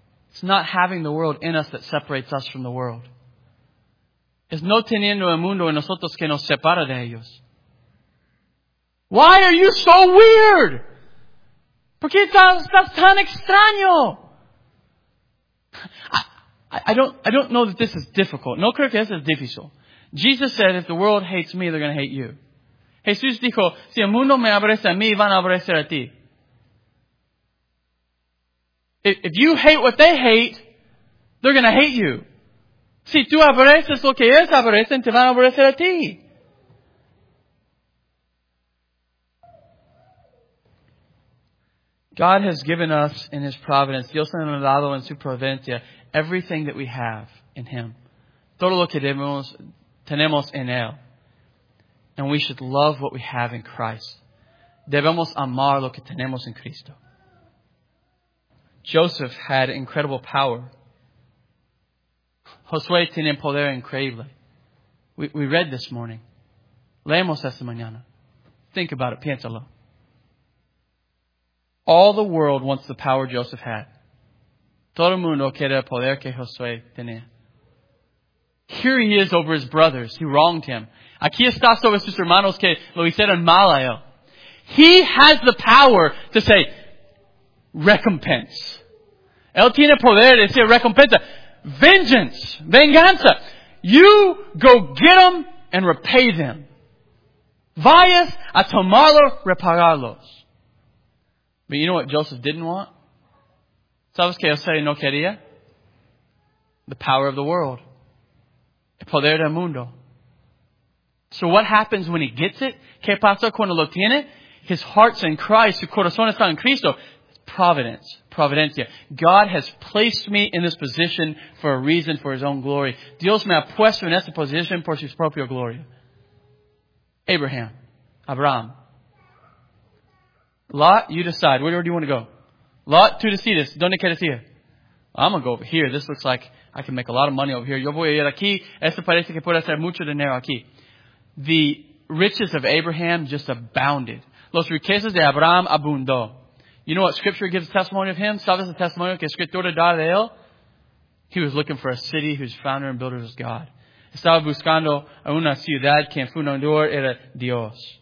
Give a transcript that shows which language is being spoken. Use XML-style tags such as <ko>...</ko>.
<en>It's not having the world in us that separates us from the world.</en> <es>Es no teniendo el mundo en nosotros que nos separa de ellos.</es> <en>Why are you so weird?</en> <es>¿Por qué estás tan extraño?</es> <en>I don't know that this is difficult.</en> <es>No creo que eso es difícil.</es> <en>Jesus said, if the world hates me, they're going to hate you.</en> <es>Jesús dijo, si el mundo me aborrece a mí, van a aborrecer a ti.</es> <en>If you hate what they hate, they're going to hate you.</en> <es>Si tú aborreces lo que ellos aborrecen, te van a aborrecer a ti.</es> <en>God has given us in His providence,</en> <es>Dios nos ha dado en su providencia,</es> <en>everything that we have in Him.</en> <es>Todo lo que tenemos en Él.</es> <en>And we should love what we have in Christ.</en> <es>Debemos amar lo que tenemos en Cristo.</es> <en>Joseph had incredible power.</en> <es>Josué tiene poder increíble.</es> <en>We read this morning.</en> <es>Leemos esta mañana.</es> <en>Think about it.</en> <es>Piénsalo.</es> <en>All the world wants the power Joseph had.</en> <es>Todo el mundo quiere el poder que Josué tenía.</es> <en>Here he is over his brothers. He wronged him.</en> <es>Aquí está sobre sus hermanos que lo hicieron mal a él.</es> <en>He has the power to say, recompense.</en> <es>Él tiene poder de decir recompensa.</es> <en>Vengeance.</en> <es>Venganza.</es> <en>You go get them and repay them.</en> <es>Vayas a tomarlo, repagarlos.</es> <en>But you know what Joseph didn't want?</en> <es>¿Sabes que José no quería?</es> <en>The power of the world.</en> <es>El poder del mundo.</es> <en>So what happens when he gets it?</en> <es>¿Qué pasa cuando lo tiene?</es> <en>His heart's in Christ.</en> <es>Su corazón está en Cristo.</es> <en>Providence.</en> <es>Providencia.</es> <en>God has placed me in this position for a reason, for His own glory.</en> <es>Dios me ha puesto en esta posición por su propia gloria.</es> <en>Abraham. Lot, you decide. Where do you want to go?</en> <es>Lot, tú decides. ¿Dónde quieres ir?</es> <en>I'm going to go over here. This looks like I can make a lot of money over here.</en> <es>Yo voy a ir aquí. Esto parece que puede hacer mucho dinero aquí.</es> <en>The riches of Abraham just abounded.</en> <es>Los riquezas de Abraham abundó.</es> <en>You know what Scripture gives testimony of him?</en> <es>¿Sabes el testimonio que Escritura da de él?</es> <en>He was looking for a city whose founder and builder was God.</en> <es>Estaba buscando a una ciudad que fundador era Dios.</es>